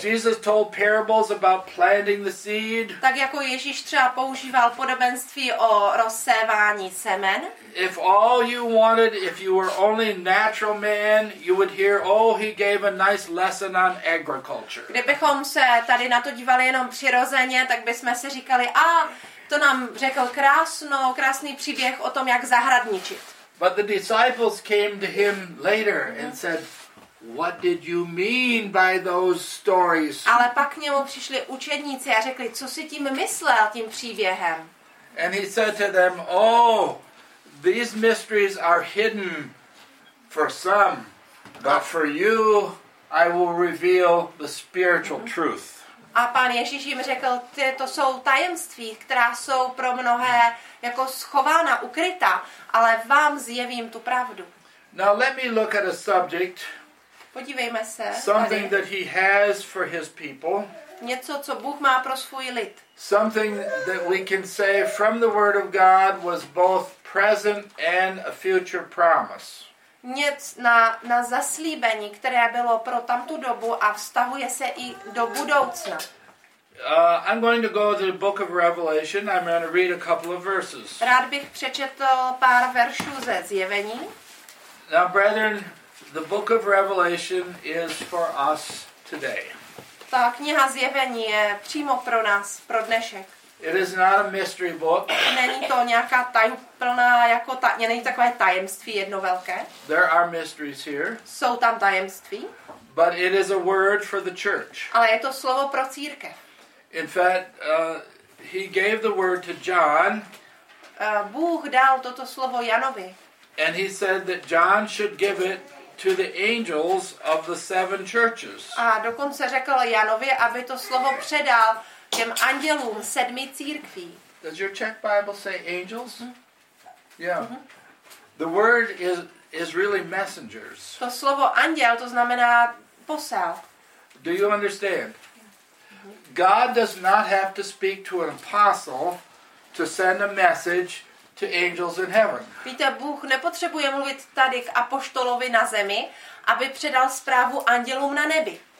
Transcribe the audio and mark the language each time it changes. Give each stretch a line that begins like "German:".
English: Jesus told parables about planting the seed.
Czech: Tak jako Ježíš třeba používal podobenství o rozsévání semen.
English: If all you wanted, if you were only a natural man, you would hear, oh, he gave a nice lesson on agriculture.
Czech: Kdybychom se tady na to dívali jenom přirozeně, tak bychom si říkali, to nám řekl krásný příběh o tom, jak zahradničit.
English: But the disciples came to him later and said, "What did you mean by those stories?"
Czech: Ale pak k němu přišli učedníci a řekli, co si tím myslel tím příběhem?
English: And he said to them, "Oh, these mysteries are hidden for some, but for you, I will reveal the spiritual truth."
Czech: A pán Ježíš jim řekl, to jsou tajemství, která jsou pro mnohé jako schována, ukryta, ale vám zjevím tu pravdu.
English: Now let me look at a subject.
Czech: Podívejme se.
English: Something that he has for his people.
Czech: Něco, co Bůh má pro svůj lid.
English: Something that we can say from the word of God was both present and a future promise.
Czech: Něco na zaslíbení, které bylo pro tamtu dobu a vztahuje se i do budoucna.
English: I'm going to go to the book of Revelation. I'm going to read a couple of verses.
Czech: Rád bych přečetl pár veršů ze Zjevení.
English: Now, brethren, the book of Revelation is for us today.
Czech: Ta kniha Zjevení je přímo pro nás, pro dnešek.
English: It is not a mystery book.
Czech: Není to nějaká tajuplná jako není takové tajemství jedno velké.
English: There are mysteries here.
Czech: Jsou tam tajemství.
English: But it is a word for the church.
Czech: Ale je to slovo pro církev.
English: In fact, he gave the word to John.
Czech: Bůh dal toto slovo Janovi.
English: And he said that John should give it to the angels of the seven churches.
Czech: A dokonce řekl Janovi, aby to slovo předal těm andělům sedmi církví.
English: Does your Czech Bible say angels? Mm-hmm. Yeah. Mm-hmm. The word is really messengers.
Czech: To slovo anděl to znamená posel.
English: Do you understand? God does not have to speak to an apostle to send a message to angels in heaven.
Czech: Víte, Bůh nepotřebuje mluvit tady k apoštolovi na zemi, aby předal zprávu andělům na nebi.